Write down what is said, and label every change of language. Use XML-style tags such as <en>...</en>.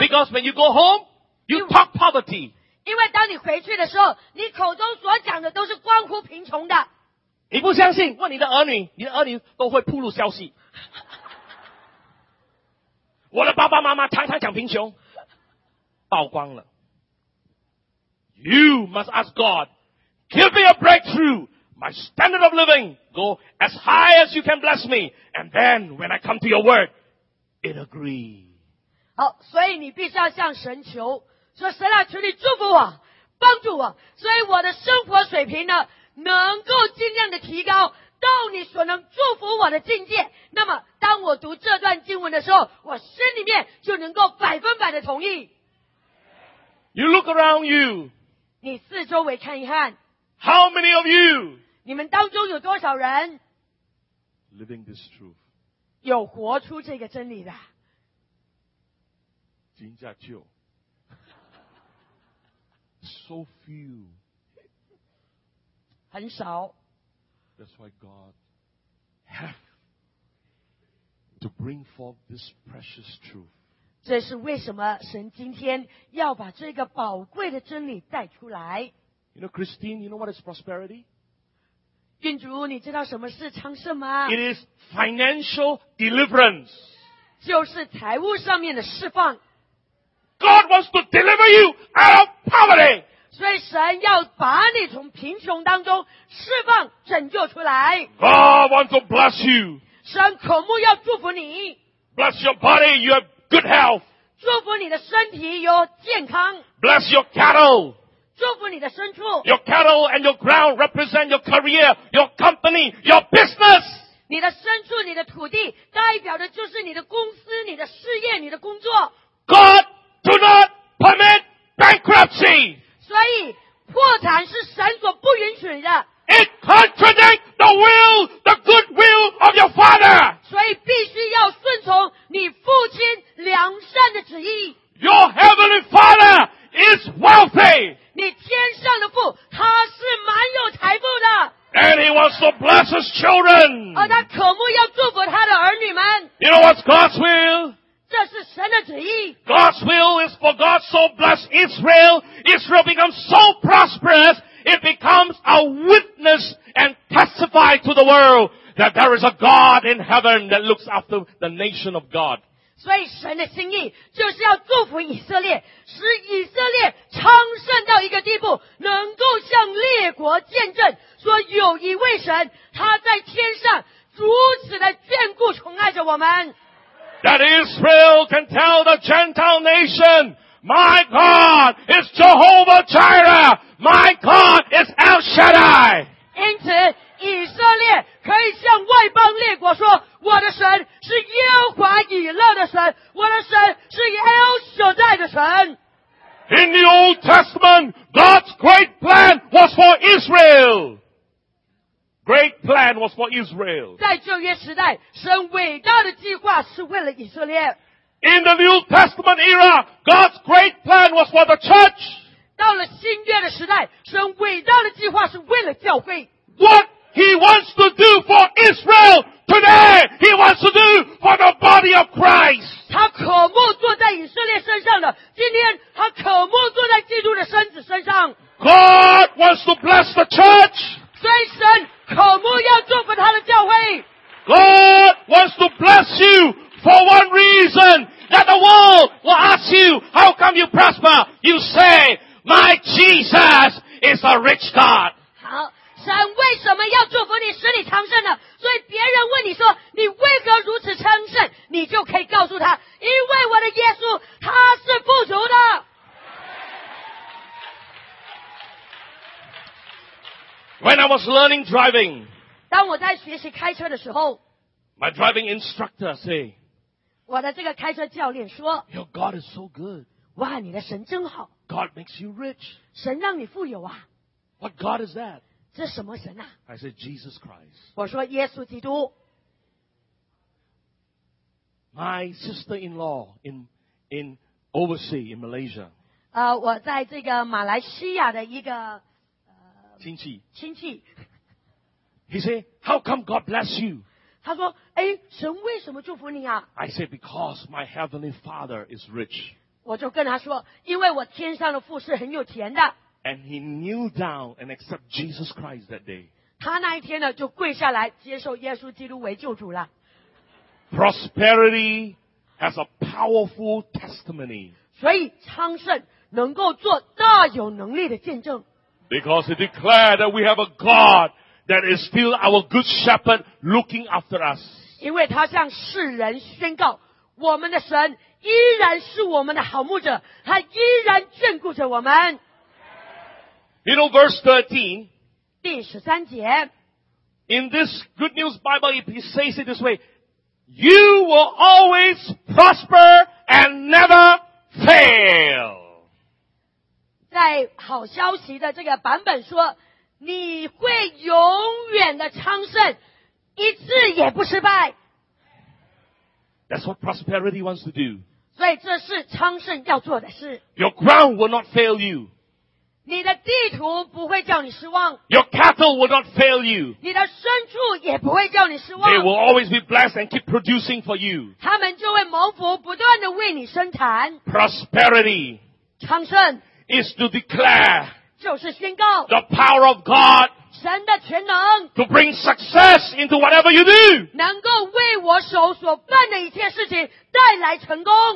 <en>Because when you go home, you talk poverty.</en> <zh>因为当你回去的时候，你口中所讲的都是关乎贫穷的。你不相信？问你的儿女，你的儿女都会暴露消息。我的爸爸妈妈常常讲贫穷，曝光了。</zh> <en>You must ask God, give me a breakthrough. My standard of living go as high as you can bless me, and then when I come to your word, it agree.</en> <zh>好，所以你必须要向神求，说神啊，求你祝福我，帮助我，所以我的生活水平呢？能够尽量的提高到你所能祝福我的境界，那么当我读这段经文的时候，我心里面就能够百分百的同意。</zh> <en>You look around you.</en> <zh>你四周围看一看。</zh> <en>How many of you?</en> <zh>你们当中有多少人</zh> <en>？Living this truth.</en> <zh>有活出这个真理的。真假旧。</zh> <en>So few.</en> <zh>很少。</zh> <en>That's why God has to bring forth this precious truth.</en> <zh>这是为什么神今天要把这个宝贵的真理带出来。</zh> <en>You know, Christine, you know what is prosperity?</en> <zh>郡主，你知道什么是昌盛吗？</zh> <en>It is financial deliverance.</en> <zh>就是财务上面的释放。</zh> <en>God wants to deliver you out of poverty.</en> <zh>所以神要把你从贫穷当中释放拯救出来。</zh> <en>God wants to bless you.</en> <zh>神渴慕要祝福你。</zh> <en>Bless your body, you have good health.</en> <zh>祝福你的身体有健康。</zh> <en>Bless your cattle.</en> <zh>祝福你的牲畜。</zh> <en>Your cattle and your ground represent your career, your company, your business.</en> <zh>你的牲畜、你的土地代表的就是你的公司、你的事业、你的工作。</zh> <en>God do not permit bankruptcy.</en> <zh>所以破产是神所不允许的。</zh> <en>It contradicts the will, the good will of your father.</en> <zh>所以必须要顺从你父亲良善的旨意。</zh> <en>Your heavenly father is wealthy.</en> <zh>你天上的父他是蛮有财富的。</zh> <en>And he wants to bless his children.</en> <zh>而他渴慕要祝福他的儿女们。</zh> <en>You know what's God's will?</en> <zh>这是神的旨意。</zh> <en>God's will is for God so bless Israel. Israel becomes so prosperous, it becomes a witness and testify to the world that there is a God in heaven that looks after the nation of God.</en> <zh>所以神的心意就是要祝福以色列，使以色列昌盛到一个地步，能够向列国见证说有一位神，他在天上如此的眷顾宠爱着我们。</zh> <en>That Israel can tell the Gentile nation, My God is Jehovah Jireh, My God is El Shaddai.</en> <zh>因此以色列可以向外邦列国说，我的神是耶和华以勒的神，我的神是El Shaddai的神。</zh> <en>In the Old Testament, God's great plan was for Israel. Great plan was for Israel.</en> <zh>在旧约时代，神伟大的计划是为了以色列。</zh> <en>In the New Testament era, God's great plan was for the church.</en> <zh>到了新约的时代，神伟大的计划是为了教会。</zh> <en>WhatHe wants to do for Israel today. He wants to do for the body of Christ.</en> <zh>他渴慕坐在以色列身上的，今天他渴慕坐在基督的身子身上。</zh> <en>God wants to bless the church.</en> <zh>所以神渴慕要祝福他的教会。</zh> <en>God wants to bless you for one reason, that the world will ask you, how come you prosper? You say, my Jesus is a rich God.</en> <zh>神为什么要祝福你使你昌盛呢？所以别人问你说你为何如此昌盛，你就可以告诉他，因为我的耶稣他是富足的。</zh> <en>When I was learning driving,</en> <zh>当我在学习开车的时候，</zh> <en>My driving instructor say,</en> <zh>我的这个开车教练说，</zh> <en>Your God is so good.</en> <zh>哇，你的神真好。</zh> <en>God makes you rich.</en> <zh>神让你富有啊。</zh> <en>What God is that?</en> <zh>这是什么神啊？</zh> <en>I said, Jesus Christ.</en> <zh>我说耶稣基督。</zh> <en>My sister-in-law in overseas, in Malaysia.</en> <zh>我在这个马来西亚的一个亲戚。亲戚。</zh> <en>He said, how come God bless you?</en> <zh>他说，哎，神为什么祝福你啊？</zh> <en>I said, because my heavenly father is rich.</en> <zh>我就跟他说，因为我天上的父是很有钱的。</zh> <en>And he kneeled down and accepted Jesus Christ that day.</en> <zh>他那一天呢，就跪下来接受耶稣基督为救主了。</zh> <en>Prosperity has a powerful testimony.</en> <zh>所以昌盛能够做大有能力的见证。</zh> <en>Because it declared that we have a God that is still our good shepherd looking after us.</en> <zh>因为他向世人宣告，我们的神依然是我们的好牧者，他依然眷顾着我们。</zh> <en>You know, verse 13.</en> <zh>第十三节。</zh> <en>In this Good News Bible, he says it this way. You will always prosper and never fail.</en> <zh>在好消息的这个版本说，你会永远的昌盛，一次也不失败。</zh> <en>That's what prosperity wants to do.</en> <zh>所以这是昌盛要做的事。</zh> <en>Your ground will not fail you.</en> <zh>你的地图不会叫你失望。</zh> <en>Your cattle will not fail you.</en> <zh>你的牲畜也不会叫你失望。</zh> <en>They will always be blessed and keep producing for you.</en> <zh>他们就会蒙福，不断地为你生产。</zh> <en>Prosperity.</en> <zh>昌盛。</zh> <en>Is to declare.</en> <zh>就是宣告。</zh> <en>The power of God.</en> <zh>神的全能。</zh> <en>To bring success into whatever you do.</en> <zh>能够为我手所办的一切事情带来成功。</zh>